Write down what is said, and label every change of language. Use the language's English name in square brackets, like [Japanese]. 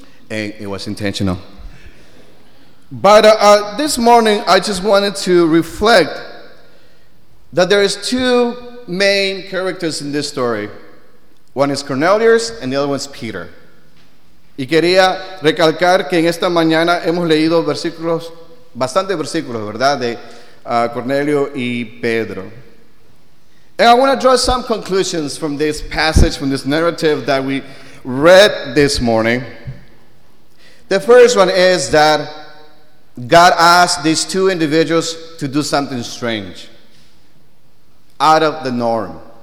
[English] And it was intentional. But this morning I just wanted to reflect that there is two main characters in this story. One is Cornelius and the other one is Peter. [Spanish] Y quería recalcar que en esta mañana hemos leído versículos, bastantes versículos, ¿verdad? De Cornelio y Pedro. [English] And I want to draw some conclusions from this passage, from this narrative that we read this morning. The first one is that God asked these two individuals to do something strange, out of the norm.